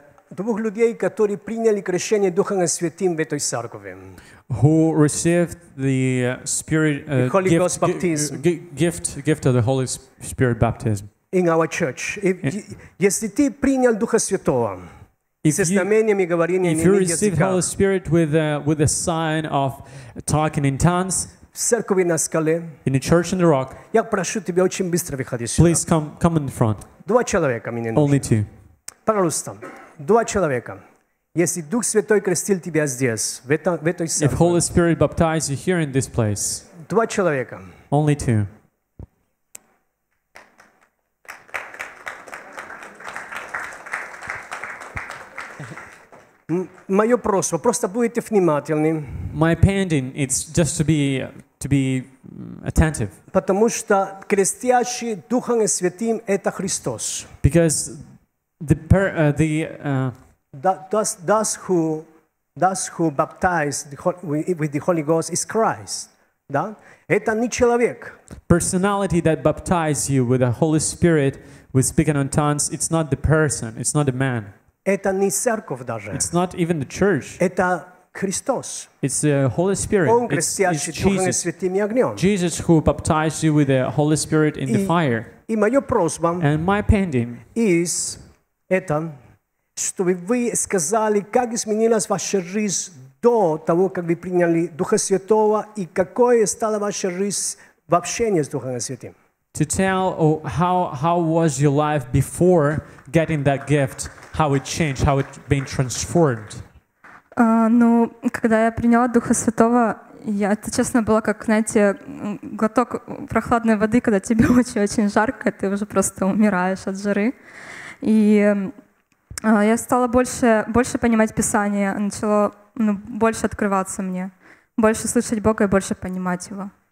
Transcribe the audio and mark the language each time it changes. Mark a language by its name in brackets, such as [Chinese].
[Russian] Двух людей, которые приняли крещение Духом Святым в этой церкви. [English] Who received the Spirit Holy Ghost baptism. Gift of the Holy Spirit baptism. in our church. [Russian] If, если ты принял Духа Святого, [English] if you, receive the Holy Spirit with a sign of talking in tongues, [Russian] в церкви на скале, [English] in the church in the rock, [Russian] я прошу тебя очень быстро выходи сюда. [English] Please come in the front. [Russian] Два человека мне нужны. [English] Only two. [Russian] Пожалуйста, два человека. Если Дух Святой крестил тебя здесь, в этой церкви. [English] If Holy Spirit baptized you here in this place. [Russian] Два человека. [English] Only two. [Russian] Моё просьба, просто будьте внимательны. [English] My pending, it's just to be attentive. [Russian] Потому что крестящий Духом Святым это Христос. [English] Because who baptized with the Holy Ghost is Christ. [Russian] Да? Это не человек. [English] Personality that baptized you with the Holy Spirit with speaking in tongues, it's not the person, it's not the man. [Russian] Это не церковь даже. [English] It's not even the church. [Russian] Это Христос. [English] It's the Holy Spirit. [Russian] Он крестящий Духом Святым и огнем. [English] Jesus who baptized you with the Holy Spirit in the fire. [Russian] И моё просьба. [English] And my pending [Russian] is это, чтобы вы сказали, как изменилась ваша жизнь до того, как вы приняли Духа Святого, и какое стала ваша жизнь в общении с Духом Святым. [English] To tell how was your life before getting that gift. How it changed, how it been transformed. [Russian] Ну, когда я приняла Духа Святого, я, это честно, была как, знаете, глоток прохладной воды, когда тебе очень-очень жарко, ты уже просто умираешь от жары. И я стала больше понимать Писание, начало больше открываться мне, больше слышать Бога и больше понимать Его.